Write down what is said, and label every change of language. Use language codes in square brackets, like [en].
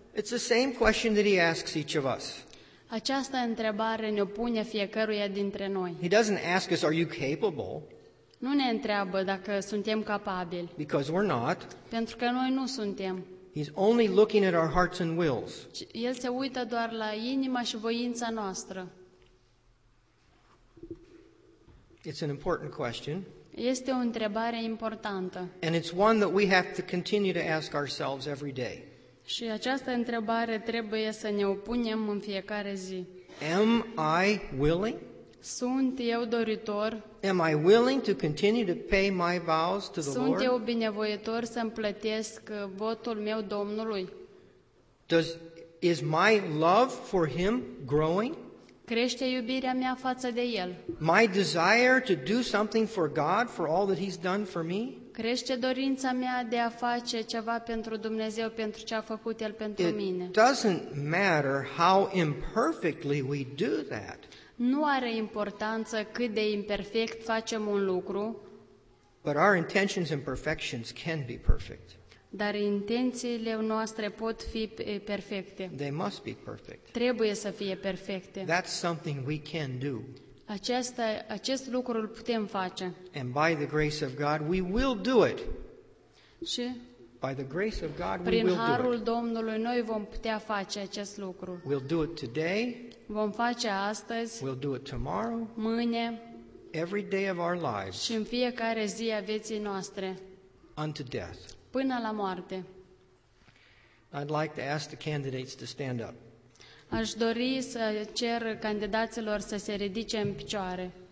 [en] It's the same question that he asks each of us. [ro] Această întrebare ne-o pune fiecăruia dintre noi. [en] He doesn't ask us, are you capable? [ro] Nu ne întreabă dacă suntem capabili. [en] Because we're not. [ro] Pentru că noi nu suntem. [en] He's only looking at our hearts and wills. [ro] El se uită doar la inima și voința noastră. [en] It's an important question. [ro] Este o întrebare importantă. [en] And it's one that we have to continue to ask ourselves every day. [ro] Și această întrebare trebuie să ne o punem în fiecare zi. [en] Am I willing? [ro] Sunt eu doritor? [en] Am I willing to continue to pay my vows to the Lord? [ro] Sunt eu binevoitor să îmi plătesc votul meu Domnului? [en] Is my love for him growing? [ro] Crește iubirea mea față de el? [en] My desire to do something for God for all that he's done for me? [ro] Crește dorința mea de a face ceva pentru Dumnezeu, pentru ce a făcut El pentru mine. [en] It doesn't matter how imperfectly we do that. [ro] Nu are importanță cât de imperfect facem un lucru. [en] But our intentions and perfections can be perfect. [ro] Dar intențiile noastre pot fi perfecte. [en] They must be perfect. [ro] Trebuie să fie perfecte. [en] That's something we can do. [ro] Acest lucru îl putem face. [en] And by the grace of God, we will do it. [ro] Și [en] by the grace of God, [ro] prin harul Domnului, noi vom putea face acest lucru. [en] We'll do it today. [ro] Vom face astăzi. [en] We'll do it tomorrow. [ro] Mâine. [en] Every day of our lives. [ro] Și în fiecare zi a vieții noastre. [en] Unto death. [ro] Până la moarte. [en] I'd like to ask the candidates to stand up. [ro] Aș dori să cer candidaților să se ridice în picioare.